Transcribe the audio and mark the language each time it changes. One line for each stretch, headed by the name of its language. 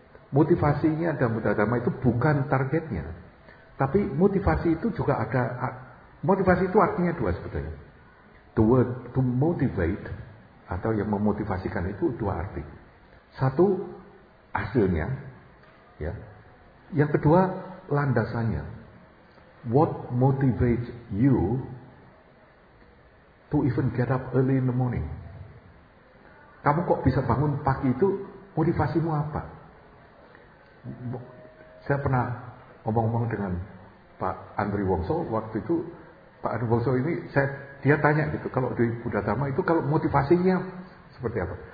Indonesian: Motivasinya dan Buddha Dharma itu bukan targetnya. Tapi motivasi itu juga ada motivasi itu artinya dua sebetulnya.
English: The word to motivate
Indonesian: atau yang memotivasikan itu dua arti. Satu hasilnya ya. Yang kedua landasannya.
English: What motivates you to even get up early in the morning?
Indonesian: Kamu kok bisa bangun pagi itu motivasimu apa? Saya pernah ngomong-ngomong dengan Pak Andri Wongso waktu itu Pak Andri Wongso ini saya dia tanya gitu kalau di Buddha Dharma itu kalau motivasinya seperti apa?